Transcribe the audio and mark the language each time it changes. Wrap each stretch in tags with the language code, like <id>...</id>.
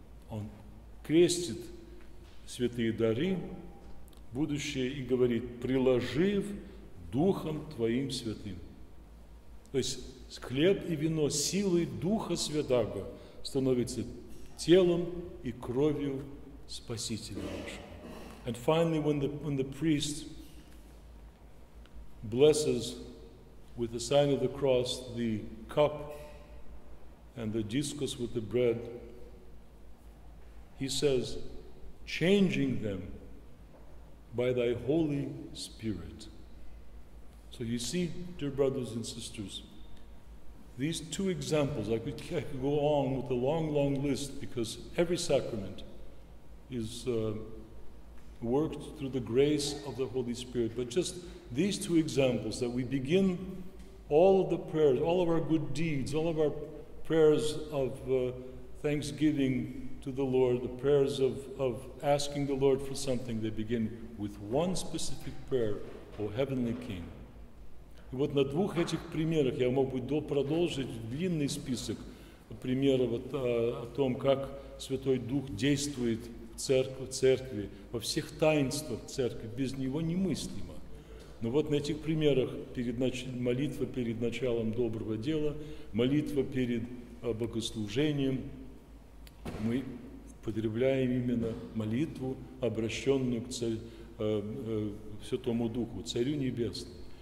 <ru>Он крестит святые дары будущее и говорит, приложив духом твоим святым. То есть хлеб и вино силой Духа Святаго становится телом и кровью Спасителя нашего.</ru> <en>And finally, when the priest blesses with the sign of the cross the cup and the discus with the bread, he says, changing them by thy Holy Spirit. So you see, dear brothers and sisters, these two examples, I could go on with a long, long list, because every sacrament is worked through the grace of the Holy Spirit. But just these two examples, that we begin all of the prayers, all of our good deeds, all of our prayers of thanksgiving to the Lord, the prayers of asking the Lord for something, they begin with one specific prayer, O Heavenly King.</en> <ru>И вот на двух этих примерах я мог бы продолжить длинный список примеров о том, как Святой Дух действует в Церкви, во всех таинствах Церкви. Без Него немыслимо. Но вот на этих примерах молитва перед началом доброго дела, молитва перед богослужением, мы потребляем именно молитву, обращенную к Святому Духу, Царю Небесному.</ru>